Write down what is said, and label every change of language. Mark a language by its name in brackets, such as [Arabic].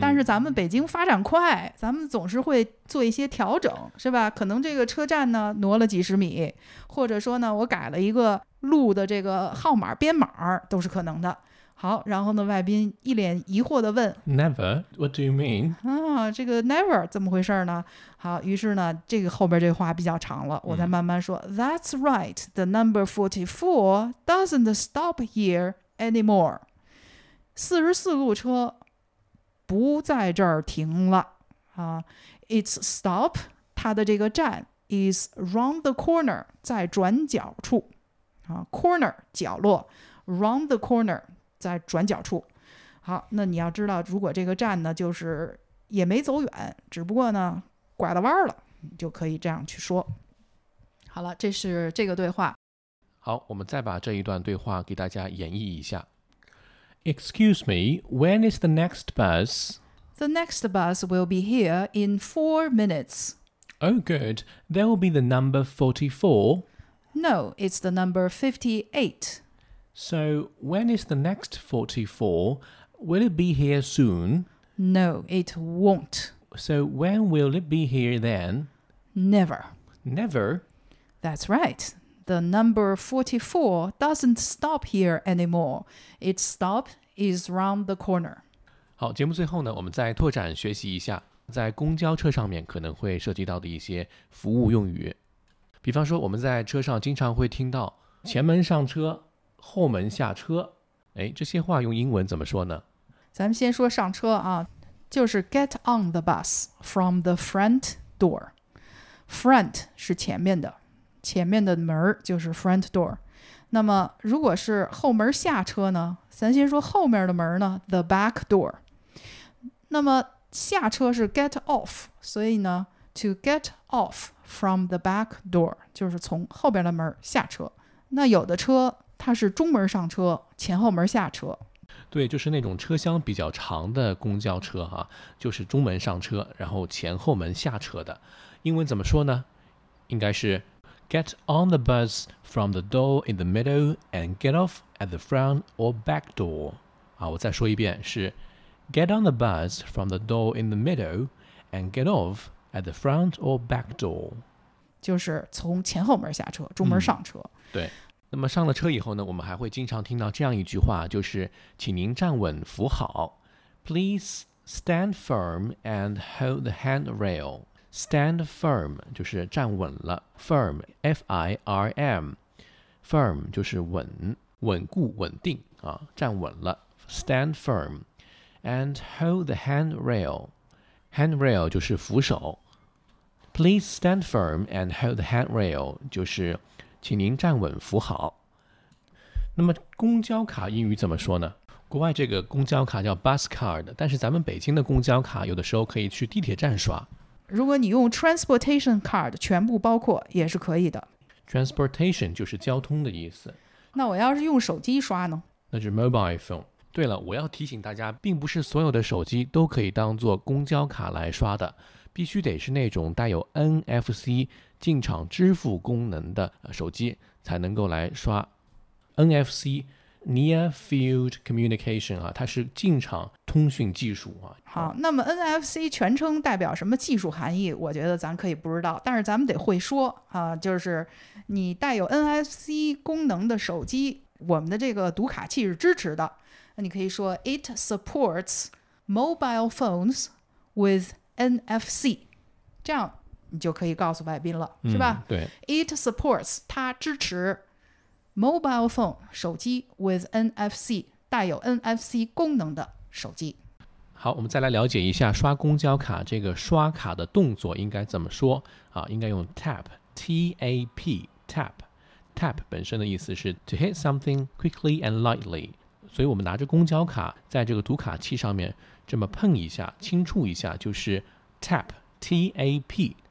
[Chinese] 但是咱们北京发展快，咱们总是会做一些调整，是吧，可能这个车站呢挪了几十米，或者说呢我改了一个路的这个号码编码都是可能的。好，然后呢外宾一脸疑惑地问 [English] Never? What do you mean?、 [Chinese] 啊、这个 Never 怎么回事呢？好，于是呢这个后边这话比较长了，我再慢慢说、嗯、 [English] That's right, the number 44 doesn't stop here anymore. [Chinese] 44路车不在这儿停了、啊、 [English] It's stop, [Chinese] 它的这个站 [English] is round the corner, [Chinese] 在转角处、啊、corner, 角落 [English] round the corner, [Chinese] 在转角处。好，那你要知道如果这个站呢就是也没走远，只不过呢拐了弯了，你就可以这样去说。好了，这是这个对话。好，我们再把这一段对话给大家演绎一下。 [English] Excuse me, when is the next bus? The next bus will be here in 4 minutes. Oh good, that will be the number 44. No, it's the number 58. So, when is the next 44? Will it be here soon? No, it won't. So, when will it be here then? Never. Never? That's right. The number 44 doesn't stop here anymore. Its stop is round the corner. [Chinese] 好，节目最后呢，我们再拓展学习一下，在公交车上面可能会涉及到的一些服务用语。比方说，我们在车上经常会听到前门上车后门下车，哎，这些话用英文怎么说呢？咱们先说上车啊，就是 [English] get on the bus from the front door. [Chinese] Front 是前面的，前面的门就是 front door. 那么如果是后门下车呢，咱先说后面的门呢 the back door. 那么下车是 get off, 所以呢 [English] to get off from the back door [Chinese] 就是从后边的门下车。那有的车它是中门上车前后门下车，对，就是那种车厢比较长的公交车、啊、就是中门上车然后前后门下车的。英文怎么说呢？应该是 [English] Get on the bus from the door in the middle and get off at the front or back door、 [Chinese] 啊、我再说一遍，是 [English] Get on the bus from the door in the middle and get off at the front or back door, [Chinese] 就是从前后门下车中门上车、嗯、对。那么上了车以后呢，我们还会经常听到这样一句话，就是请您站稳扶好。 [English] Please stand firm and hold the handrail. [Chinese] Stand firm 就是站稳了， firm F-I-R-M, firm 就是稳，稳固稳定、啊、站稳了， [English] stand firm and hold the handrail. [Chinese] Handrail 就是扶手。 [English] Please stand firm and hold the handrail [Chinese] 就是请您站稳扶好。那么公交卡英语怎么说呢？国外这个公交卡叫 bus card, 但是咱们北京的公交卡有的时候可以去地铁站刷。如果你用 transportation card 全部包括也是可以的。 transportation 就是交通的意思。那我要是用手机刷呢？那就是 mobile phone。对了，我要提醒大家，并不是所有的手机都可以当做公交卡来刷的，必须得是那种带有 NFC进场支付功能的手机才能够来刷。 NFC Near Field Communication、啊、它是进场通讯技术、啊、好，那么 NFC 全称代表什么技术含义，我觉得咱可以不知道，但是咱们得会说、啊、就是你带有 NFC 功能的手机，我们的这个读卡器是支持的。那你可以说 [English] It supports mobile phones with NFC, [Chinese] 这样你就可以告诉外宾了、嗯、是吧？对， It supports 它支持 mobile phone 手机 with NFC 带有 NFC 功能的手机。好，我们再来了解一下刷公交卡这个刷卡的动作应该怎么说、啊、应该用 tap T-A-P tap tap 本身的意思是 [English] to hit something quickly and lightly, [Chinese] 所以我们拿着公交卡在这个读卡器上面这么碰一下轻触一下就是 tap T-A-P